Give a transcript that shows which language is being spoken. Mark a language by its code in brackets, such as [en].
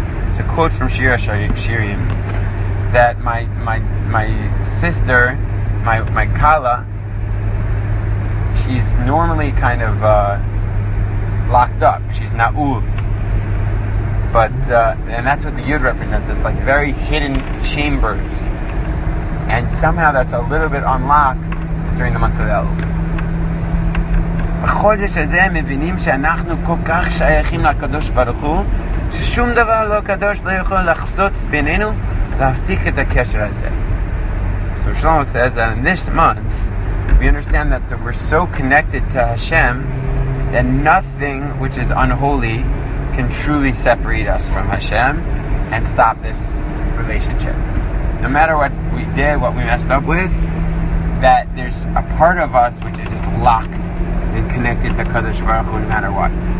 [en] It's a quote from Shir HaShirim that my sister, my Kala, she's normally kind of locked up. She's Na'ul. But, and that's what the Yud represents. It's like very hidden chambers. And somehow that's a little bit unlocked during the month of Elul. [he] בחודש הזה מבינים שאנחנו כל כך שייכים לקדוש ברוך הוא, ששום דבר לא קדוש לא יכול לחסות בינינו, להפסיק את הקשר הזה. [en] So Shlomo says that in this month, we understand that we're so connected to Hashem that nothing which is unholy can truly separate us from Hashem and stop this relationship. No matter what we did, what we messed up with, that there's a part of us which is just locked and connected to Kadosh Baruch Hu no matter what.